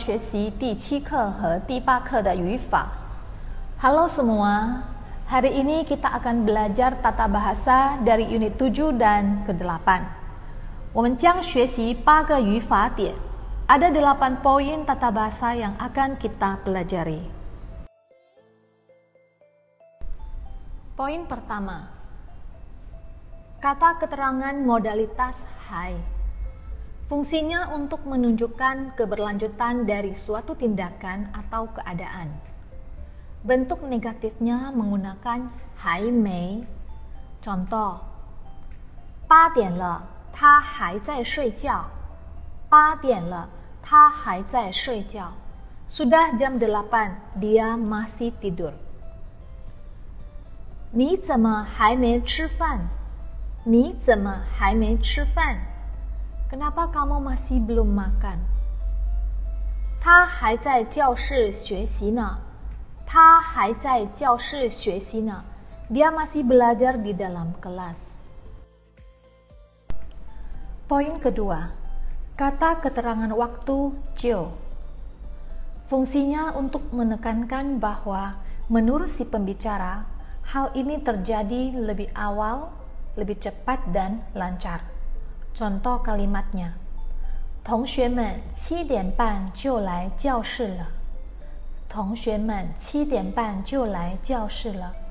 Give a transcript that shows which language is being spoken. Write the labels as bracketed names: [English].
[Chinese] 同学们好，今天我们要学习第七课和第八课的语法。 [Indonesian] Halo semua, hari ini kita akan belajar tata bahasa dari unit 7 dan ke-8. [Chinese] 我们将学习八个语法点, [Indonesian] ada 8 poin tata bahasa yang akan kita pelajari. Poin pertama, kata keterangan modalitas hai. Fungsinya untuk menunjukkan keberlanjutan dari suatu tindakan atau keadaan. Bentuk negatifnya menggunakan hai mei. [Chinese] Contoh, 8点了,他还在睡觉. 8点了,他还在睡觉. [Indonesian] Sudah jam 8, dia masih tidur. [Chinese] 你怎么还没吃饭?你怎么还没吃饭? [Indonesian] Kenapa kamu masih belum makan? [Chinese] 他还在教室学习呢.他还在教室学习呢. [Indonesian] Dia masih belajar di dalam kelas. Poin kedua, kata keterangan waktu, jiu. Fungsinya untuk menekankan bahwa menurut si pembicara, hal ini terjadi lebih awal, lebih cepat dan lancar. Contoh kalimatnya, [Chinese] 同学们七点半就来教室了。同学们七点半就来教室了。